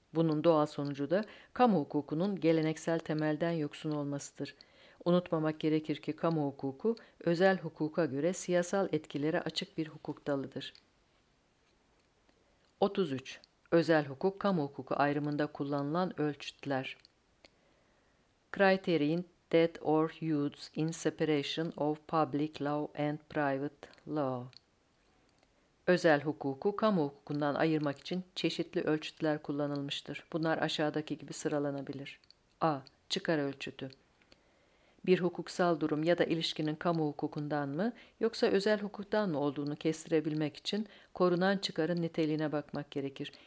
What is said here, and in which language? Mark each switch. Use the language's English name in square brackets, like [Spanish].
[Turkish] Bunun doğal sonucu da kamu hukukunun geleneksel temelden yoksun olmasıdır. Unutmamak gerekir ki kamu hukuku özel hukuka göre siyasal etkilere açık bir hukuk dalıdır. 33. Özel hukuk, kamu hukuku ayrımında kullanılan ölçütler. [English] Criterion that or used in separation of public law and private law. [Turkish] Özel hukuku, kamu hukukundan ayırmak için çeşitli ölçütler kullanılmıştır. Bunlar aşağıdaki gibi sıralanabilir. A. Çıkar ölçütü. Bir hukuksal durum ya da ilişkinin kamu hukukundan mı yoksa özel hukuktan mı olduğunu kestirebilmek için korunan çıkarın niteliğine bakmak gerekir.